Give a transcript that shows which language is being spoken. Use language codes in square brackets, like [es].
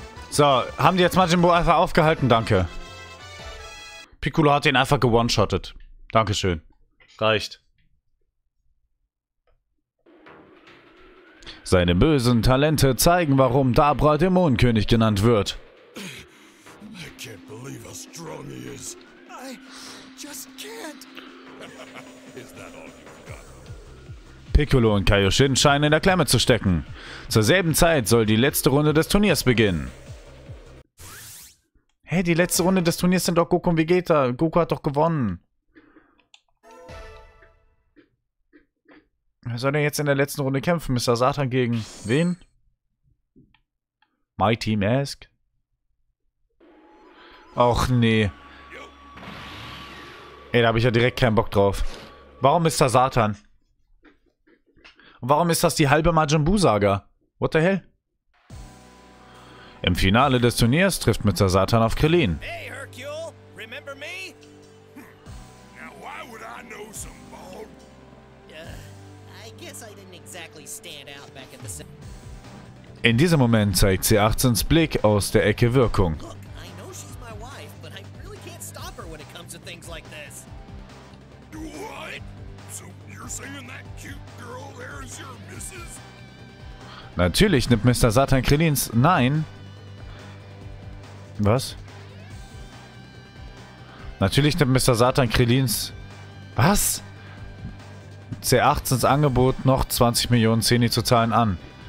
[de] So, haben die jetzt Majin Buu einfach aufgehalten? Danke. Piccolo hat ihn einfach gewone-shottet. Dankeschön. Reicht. Seine bösen Talente zeigen, warum Dabra Dämonenkönig genannt wird. [en] I can't believe how strong he is. I just can't. Is that all you've got? [de] Piccolo und Kaioshin scheinen in der Klemme zu stecken. Zur selben Zeit soll die letzte Runde des Turniers beginnen. Hey, die letzte Runde des Turniers sind doch Goku und Vegeta. Goku hat doch gewonnen. Wer soll denn jetzt in der letzten Runde kämpfen? Mr. Satan gegen wen? Mighty Mask? Och nee. Ey, da habe ich ja direkt keinen Bock drauf. Warum Mr. Satan? Und warum ist das die halbe Majin Buu-Saga? [en] What the hell? [de] Im Finale des Turniers trifft Mr. Satan auf Krillin. [en] Hey, Hercule! Remember me? Now, why would I know some bald? I guess I didn't exactly stand out back at the... [de] In diesem Moment zeigt C18s Blick aus der Ecke Wirkung. [en] Look, I know she's my wife, but I really can't stop her when it comes to things like this. Do what? So, you're saying that cute girl there is your missus? [de] Natürlich nimmt Mr. Satan Krillins Nein... Was? Natürlich nimmt Mr. Satan Krillins. Was? C18s Angebot, noch 20 Millionen Zeni zu zahlen, an.